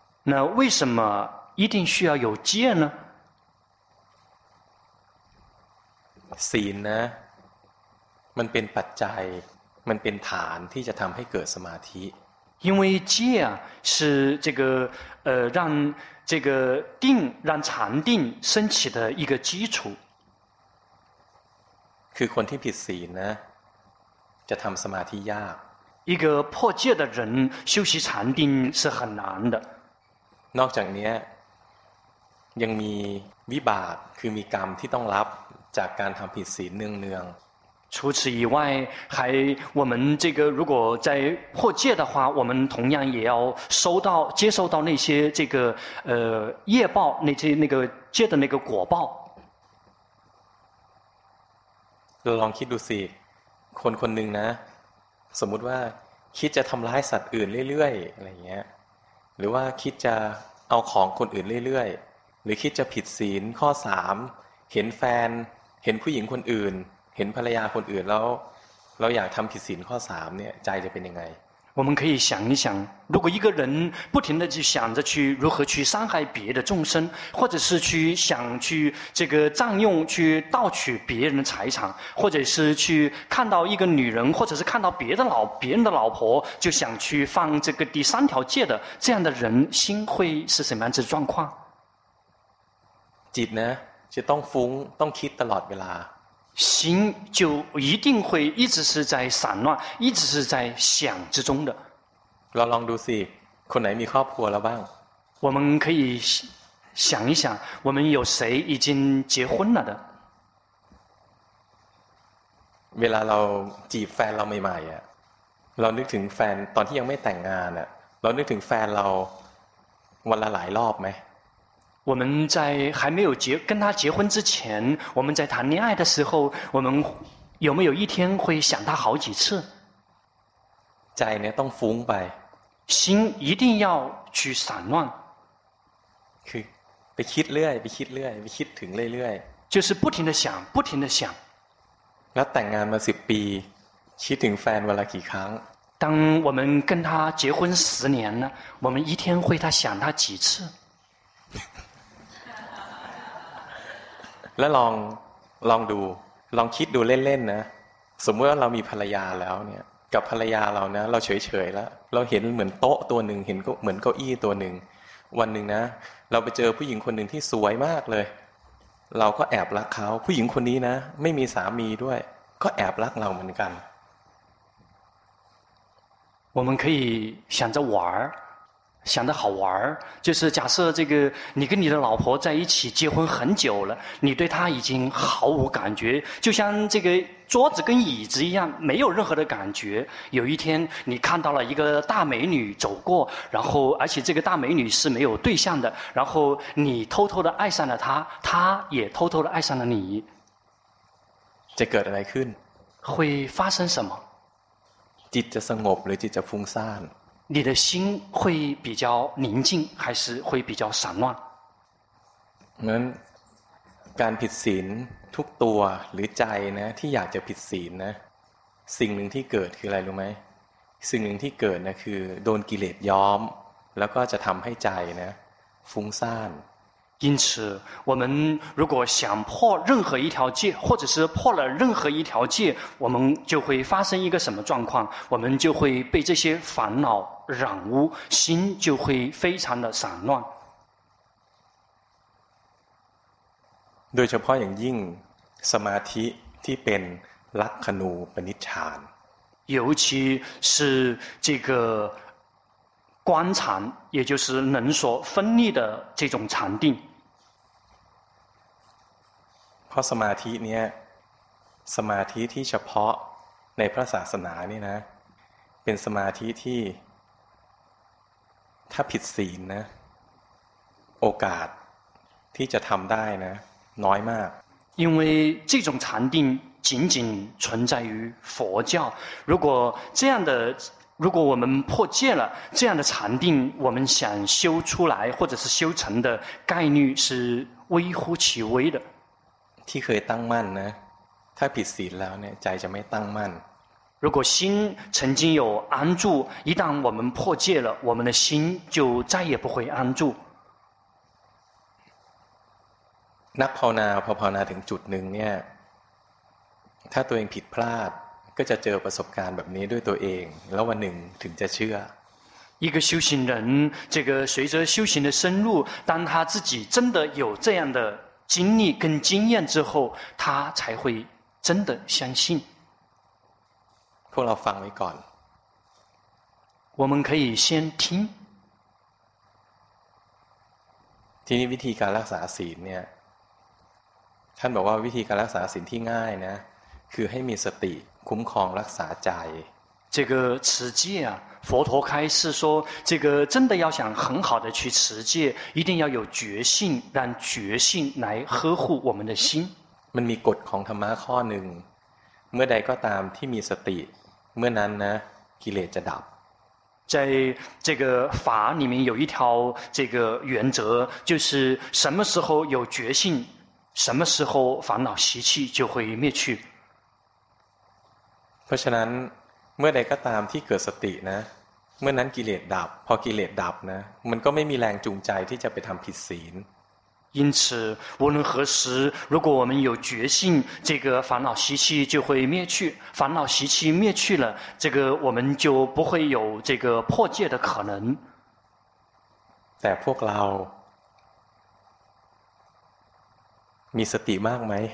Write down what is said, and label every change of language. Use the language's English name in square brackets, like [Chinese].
[Chinese] 那为什么一定需要有戒呢 [Thai] ศีลนะมันเป็นปัจจัยมันเป็นฐานที่จะทำให้เกิดสมาธิ [Chinese] 因为戒是这个让这个定让禅定升起的一个基础 [Thai] คือคนที่ผิดศีลนะจะทำสมาธิยาก [Chinese] 一个破戒的人修习禅定是很难的 [Thai] นอกจากนี้ยังมีวิบากคือมีกรรมที่ต้องรับจากการทำผิดศีลเนือง [Chinese] ๆ除此以外还我们这个如果在破戒的话我们同样也要收到接受到那些这个业报那些那个戒的那个果报 [Thai] ลองคิดดูสิคนคนหนึ่งนะสมมุติว่าคิดจะทำร้ายสัตว์อื่นเรื่อยๆอะไรเงี้ยหรือว่าคิดจะเอาของคนอื่นเรื่อยๆหรือคิดจะผิดศีลข้อ3เห็นแฟนเห็นผู้หญิงคนอื่น ห็นภรรยาคนอื่นแล้วเราอยากทำผิดศีลข้อ3เนี่ยใจจะเป็นยังไง [Chinese] 我们可以想一想，如果一个人不停地去想着去如何去伤害别的众生，或者是去想去这个占用、去盗取别人的财产，或者是去看到一个女人，或者是看到别人的老婆，就想去犯这个第三条戒的，这样的人心会是什么样子的状况？ [Thai] จิตนะจะต้องฟุ้งต้องคิดตลอดเวลา [Chinese] 心就一定会一直是在散乱一直是在想之中的 [Thai] เราลองดูสิคนไหนมีครอบครัวแล้วบ้าง [Chinese] 我们可以想一想我们有谁已经结婚了的 [Thai] เวลาเราจีบแฟนเราใหม่ๆอ่ะเรานึกถึงแฟนตอนที่ยังไม่แต่งงานอ่ะเรานึกถึงแฟนเราวันละหลายรอบไหม [Chinese] 我们在还没有结跟他结婚之前，我们在谈恋爱的时候，我们有没有一天会想他好几次？在呢，当风摆，心一定要去散乱。去， [Thai] ไปคิดเรื่อย，ไปคิดเรื่อย，ไปคิดถึงเรื่อย， [Chinese] 就是不停的想，不停的想。 [Thai] แล้วแต่งงานมาสิบปี，คิดถึงแฟนเวลากี่ครั้ง？ [Chinese] 当我们跟他结婚十年呢，我们一天会他想他几次？ [Thai] แล้วลองดูลองคิดดูเล่นๆนะสมมติว่าเรามีภรรยาแล้วเนี่ยกับภรรยาเรานะเราเฉยๆแล้วเราเห็นเหมือนโต๊ะตัวหนึ่งเห็นเหมือนเก้าอี้ตัวหนึ่งวันหนึ่งนะเราไปเจอผู้หญิงคนหนึ่งที่สวยมากเลยเราก็แอบรักเขาผู้หญิงคนนี้นะไม่มีสามีด้วยก็แอบรักเราเหมือนกัน [Chinese] 我们可以想着玩想得好玩就是假设这个你跟你的老婆在一起结婚很久了你对她已经毫无感觉就像这个桌子跟椅子一样没有任何的感觉有一天你看到了一个大美女走过然后而且这个大美女是没有对象的然后你偷偷的爱上了她她也偷偷的爱上了你这个来看会发生什么 [Thai] จิตจะสงบหรือจิตจะฟุ้งซ่าน [Chinese] 你的心会比较宁静还是会比较散乱 [Thai] นั้นการผิดศีลทุกตัวหรือใจนะที่อยากจะผิดศีลนะสิ่งหนึ่งที่เกิดคืออะไรรู้ไหมสิ่งหนึ่งที่เกิดนะคือโดนกิเลสย้อมแล้วก็จะทำให้ใจนะฟุ้งซ่าน [Chinese] 因此我们如果想破任何一条戒或者是破了任何一条戒我们就会发生一个什么状况我们就会被这些烦恼染污心就会非常的散乱 [Thai] โดยเฉพาะอย่างยิ่งสมาธิที่เป็นลักขณูปนิชฌาน [Chinese] 尤其是这个观禅也就是能所分立的这种禅定 [Thai] เพราะสมาธิเนี่ยสมาธิที่เฉพาะในพระศาสนาเนี่ยนะเป็นสมาธิที่ถ้าผิดศีลนะโอกาสที่จะทำได้นะน้อยมาก [Chinese] 因为这种禅定仅仅存在于佛教如果这样的如果我们破戒了这样的禅定我们想修出来或者是修成的概率是微乎其微的 [Thai] ที่เคยตั้งมั่นนะถ้าผิดศีลแล้วเนี่ยใจจะไม่ตั้งมั่น [Chinese] 如果心曾经有安住一旦我们破戒了我们的心就再也不会安住 [Thai] นักภาวนาพอภาวนาถึงจุดหนึ่งเนี่ยถ้าตัวเองผิดพลาดก็จะเจอประสบการณ์แบบนี้ด้วยตัวเองแล้ววันหนึ่งถึงจะเชื่อ [Chinese] 一个修行人这个随着修行的深入当他自己真的有这样的经历跟经验之后他才会真的相信 [Thai] พวกเราฟังไว้ก่อน [Chinese] 我们可以先听 [Thai] ทีนี้วิธีการรักษาศีลเนี่ยท่านบอกว่าวิธีการรักษาศีลที่ง่ายนะคือให้มีสติคุ้มครองรักษาใจ [Chinese] 这个持戒啊佛陀开示说这个真的要想很好的去持戒一定要有决心让决心来呵护我们的心 [Thai] มันมีกฎของธรรมะข้อหนึ่งเมื่อใดก็ตามที่มีสติเมื่อนั้นนะกิเลสจะดับ [Chinese] 在这个法里面有一条这个原则就是什么时候有决心什么时候烦恼习气就会灭去 [Thai] ราะฉะนั้นเมื่อใดก็ตามที่เกิดสตินะเมื่อนั้นกิเลสดับพอกิเลสดับนะมันก็ไม่มีแรงจูงใจที่จะไปทำผิดศีล [Chinese] 因此无论何时如果我们有决心这个烦恼习气就会灭去烦恼习气灭去了这个我们就不会有这个破戒的可能 [Thai] แต่พวกเรามีสติมากไหม